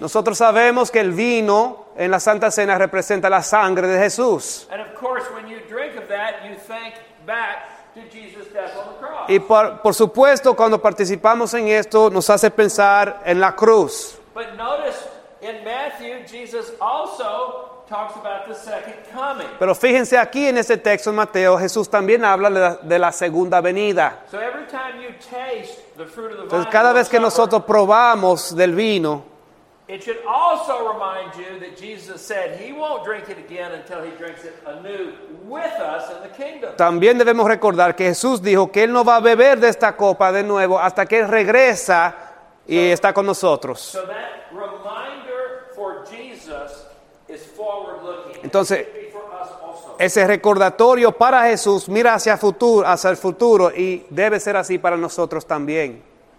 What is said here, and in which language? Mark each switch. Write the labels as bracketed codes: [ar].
[es] Nosotros sabemos que el vino en la Santa Cena representa la sangre de Jesús. [en] And of course, when you drink of that, you think back to Jesus' death on the cross. [es] Y por supuesto, cuando participamos en esto, nos hace pensar en la cruz. [en] But notice in Matthew, Jesus also talks about the second coming. [es] Pero fíjense aquí en este texto en Mateo, Jesús también habla de la segunda venida. [en] So every time you taste the fruit of the vine, [es] entonces cada vez que nosotros probamos del vino, [en] It should also remind you that Jesus said he won't drink it again until he drinks it anew with us in the kingdom. [es] También debemos recordar que Jesús dijo que él no va a beber de esta copa de nuevo hasta que él regresa y está con nosotros. [en] So that reminder for Jesus is forward looking. [es] Entonces, ese recordatorio para Jesús mira hacia futuro, hacia el futuro, y debe ser así para nosotros también.